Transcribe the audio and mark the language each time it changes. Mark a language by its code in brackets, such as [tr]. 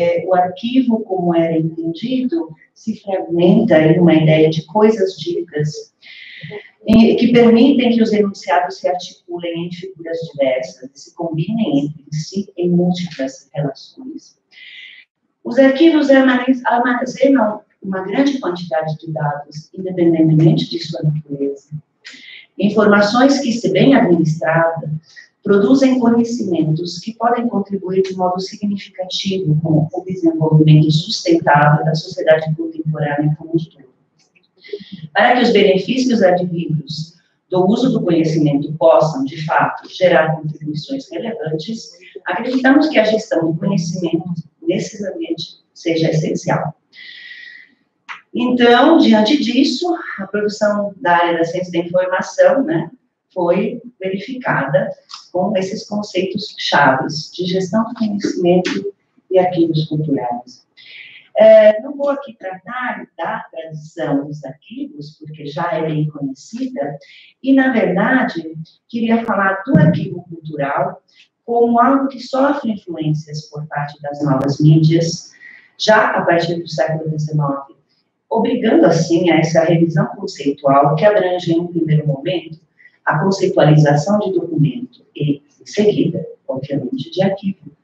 [pt] O arquivo, como era entendido, se fragmenta em uma ideia de coisas ditas, que permitem que os enunciados se articulem em figuras diversas, se combinem entre si em múltiplas relações. Os arquivos armazenam uma grande quantidade de dados, independentemente de sua natureza. Informações que, se bem administradas, [es] producen conocimientos que pueden contribuir de modo significativo con el desarrollo sustentable de la sociedad contemporánea como un todo. Para que los beneficios advenidos del uso del conocimiento puedan, de fato, generar contribuciones relevantes, acreditamos que la gestión del conocimiento necesariamente sea esencial. [pt] Então, diante disso, a produção da área da ciência da informação, né, foi verificada com esses conceitos-chave de gestão do conhecimento e arquivos culturais. É, não vou aqui tratar da tradição dos arquivos, porque já é bem conhecida, e, na verdade, queria falar do arquivo cultural como algo que sofre influências por parte das novas mídias, já a partir do século XIX, obrigando, assim, a essa revisão conceitual que abrange, em um primeiro momento, a conceitualização de documento e, em seguida, obviamente, de arquivo.